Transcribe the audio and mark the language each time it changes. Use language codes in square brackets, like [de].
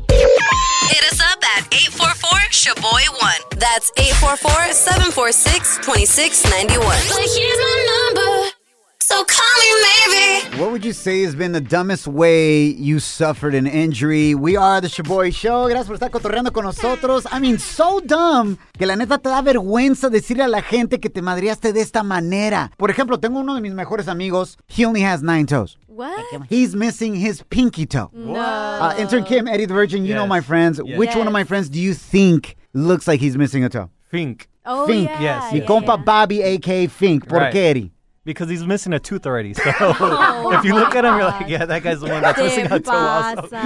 [en] Hit us up at 844-SHABOY1. That's 844-746-2691. But here's my number, so call me maybe. What would you say has been the dumbest way you suffered an injury? We are the Shaboy Show. [es] Gracias por estar cotorreando con nosotros. [en] I mean, so dumb [es] que la neta te da vergüenza decirle a la gente que te madreaste de esta manera. Por ejemplo, tengo uno de mis mejores amigos. [en] He only has 9 toes. What? He's missing his pinky toe. No. Intern Kim, Eddie the Virgin, you know my friends. Yes. Which one of my friends do you think looks like he's missing a toe? Fink. Oh, Fink. Yeah. Yes. [es] Mi compa Bobby, a.k.a. Fink. ¿Por qué, Eddie? [en] Because he's missing a tooth already. So if you look at him, you're like, yeah, that guy's the one that's missing a toe also.